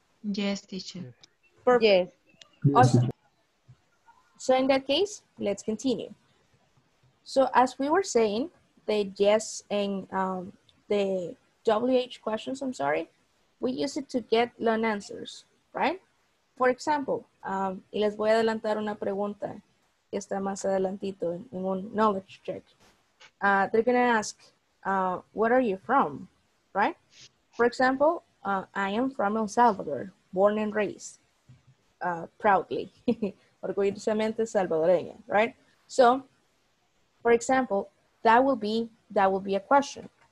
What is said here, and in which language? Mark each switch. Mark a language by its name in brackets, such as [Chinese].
[English] Yes, teacher. Perfect. Yes. Awesome. So in that case, let's continue. So as we were saying, the yes and the WH questions, I'm sorry, we use it to get long answers, right? For example, [Spanish] y les voy a adelantar una pregunta que está más adelantito en un knowledge check. [English] They're gonna ask, where are you from, right? For example, I am from El Salvador, born and raised, proudly, [Spanish] orgullosamente salvadoreña, [English] right? So, for example, that will be a question.